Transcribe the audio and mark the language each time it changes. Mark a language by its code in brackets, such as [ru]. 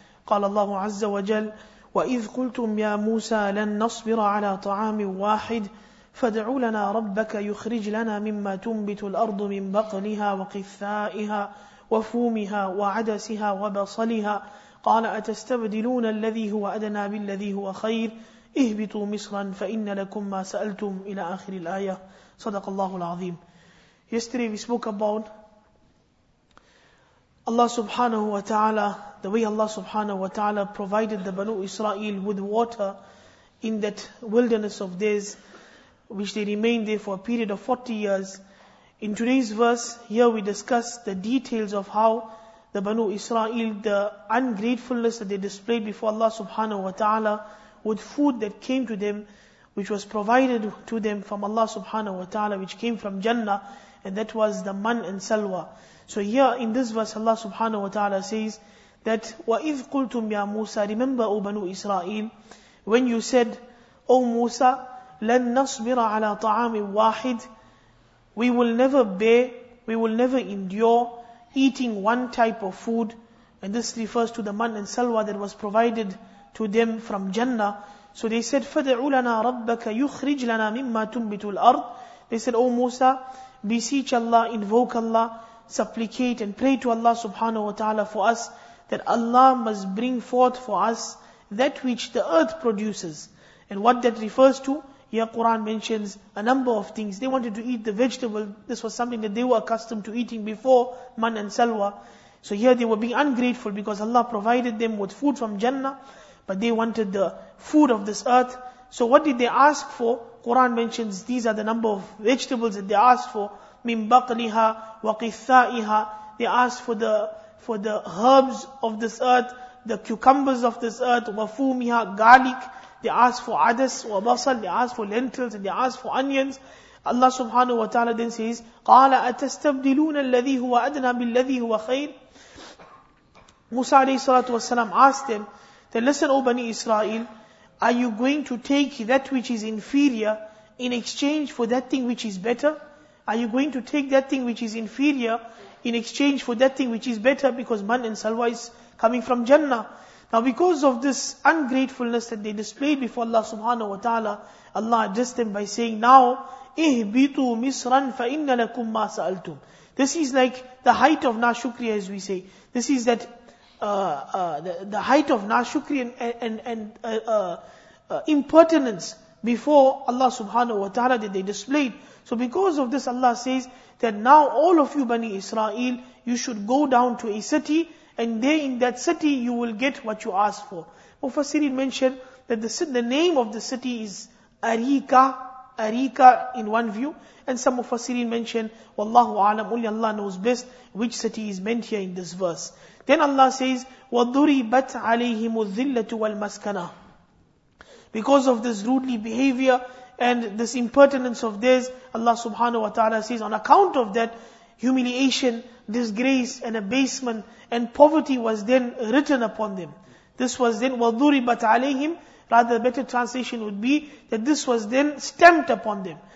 [ar] قال الله عز وجل: وإذ قلتم يا موسى لن نصبر على طعام واحد فادع لنا ربك يخرج لنا مما تنبت الأرض من بقلها وقثائها وفومها وعدسها وبصلها، قال أتستبدلون الذي هو أدنى بالذي هو خير اهبطوا مصرا فإن لكم ما سألتم، إلى آخر الآية. صدق الله العظيم. [en] Yesterday we spoke about Allah subhanahu wa ta'ala, the way Allah subhanahu wa ta'ala provided the Banu Israel with water in that wilderness of theirs, which they remained there for a period of 40 years. In today's verse, here we discuss the details of how the Banu Israel, the ungratefulness that they displayed before Allah subhanahu wa ta'ala with food that came to them, which was provided to them from Allah subhanahu wa ta'ala, which came from Jannah, and that was the man and salwa. So here in this verse, Allah subhanahu wa ta'ala says that, [ar] وَإِذْ قُلْتُمْ يَا مُوسَى, [en] remember, O Banu Israel, when you said, O Musa, [ar] لَن نَصْبِرَ عَلَىٰ طَعَامٍ وَاحِدٍ, [en] we will never bear, we will never endure eating one type of food. And this refers to the man and salwa that was provided to them from Jannah. So they said, [ar] فَدْعُ لَنَا رَبَّكَ يُخْرِجْ لَنَا مِمَّا تُنْبِتُ الْأَرْضِ. [en] They said, O Musa, beseech Allah, invoke Allah, supplicate and pray to Allah subhanahu wa ta'ala for us, that Allah must bring forth for us that which the earth produces. And what that refers to, here Quran mentions a number of things. They wanted to eat the vegetable. This was something that they were accustomed to eating before man and salwa. So here they were being ungrateful because Allah provided them with food from Jannah, but they wanted the food of this earth. So what did they ask for? Quran mentions these are the number of vegetables that they asked for. [ar] مِن بَقْلِهَا وَقِثَّائِهَا. [en] They asked for the herbs of this earth, the cucumbers of this earth, [ar] وَفُومِهَا, [en] garlic. They asked for adas or basal, they asked for lentils, and they asked for onions. Allah subhanahu wa ta'ala then says, [ar] قَالَ أَتَسْتَبْدِلُونَ الَّذِي هُوَ أَدْنَى بِالَّذِي هُوَ خَيْرٍ. [en] Musa alayhi salatu wasalam asked them, then listen, O Bani Israel, are you going to take that which is inferior in exchange for that thing which is better? Are you going to take that thing which is inferior in exchange for that thing which is better? Because man and salwa is coming from Jannah. Now because of this ungratefulness that they displayed before Allah subhanahu wa ta'ala, Allah addressed them by saying, now, [ar] اِهْبِطُوا مِصْرًا فَإِنَّ لَكُمْ مَا سَأَلْتُمْ. [en] This is like the height of nashukriya, as we say. This is that the height of nashukriya and impertinence before Allah subhanahu wa ta'ala that they displayed. So because of this, Allah says that now all of you Bani Israel, you should go down to a city, and there in that city you will get what you ask for. Mufassirin mentioned that the name of the city is Arika, Arika in one view, and some Mufassirin mentioned, Wallahu alam, only Allah knows best which city is meant here in this verse. Then Allah says, [ar] وَضُرِبَتْ عَلَيْهِمُ الذِّلَّةُ وَالْمَسْكَنَةُ. [en] Because of this rudely behavior and this impertinence of theirs, Allah subhanahu wa ta'ala says, on account of that humiliation, disgrace and abasement and poverty was then written upon them. This was then [ar] وَضُرِبَتْ عَلَيْهِمْ. [en] Rather, a better translation would be that this was then stamped upon them.